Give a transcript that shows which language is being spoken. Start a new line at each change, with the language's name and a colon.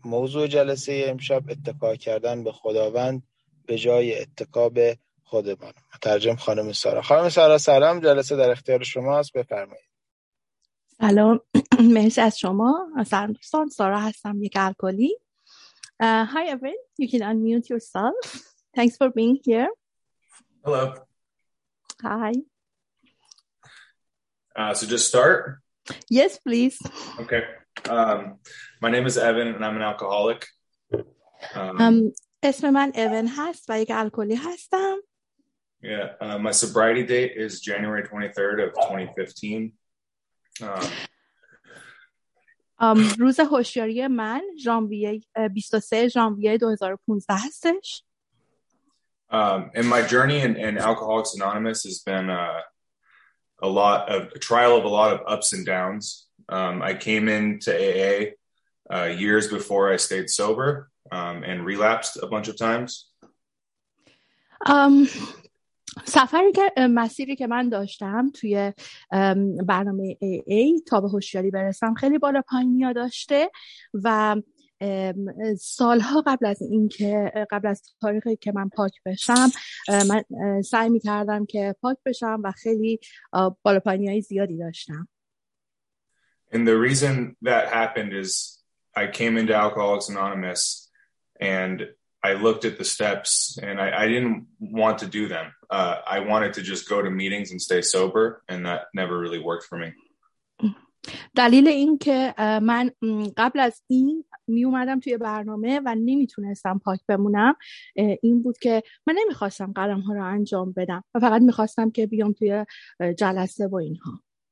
Persian: موضوع جلسه امشب اتکا کردن به خداوند به جای اتکا به خودمان. مترجم خانم سارا. خانم سارا سلام، جلسه در اختیار شماست، بفرمایید. سلام، مرسی از شما. سلام دوستان، سارا هستم، یک الکلی.
English: Hi Evan, you can unmute yourself. Thanks for being here. Hello. Hi. So just start? Yes, please. Okay. My name is Evan and I'm an alcoholic.
Persian: اسم من Evan هست و یک الکلی هستم.
English: Yeah, my sobriety date is January 23rd of 2015.
Persian: روز هوشیاری من ژانویه 23 ژانویه 2015 هستش.
English: And my journey in Alcoholics Anonymous has been a trial of a lot of ups and downs. I came into AA years before I stayed sober and relapsed a bunch of times.
Persian: سفری که مسیری که من داشتم توی برنامه AA تا به هوشیاری برسم خیلی بالا پایینی داشته و سالها قبل از این که قبل از تاریخی که من پاک بشم من سعی می کردم که پاک بشم و خیلی بالا پایینی های زیادی داشتم.
English: And the reason that happened is I came into Alcoholics Anonymous and I looked at the steps and I didn't want to do them. I wanted to just go to meetings and stay sober and that never really worked for me.
Persian: دلیل این که من قبل از این می اومدم توی برنامه و نمیتونستم پاک بمونم این بود که من نمیخواستم قدم ها رو انجام بدم و فقط میخواستم که بیام توی جلسه و اینها.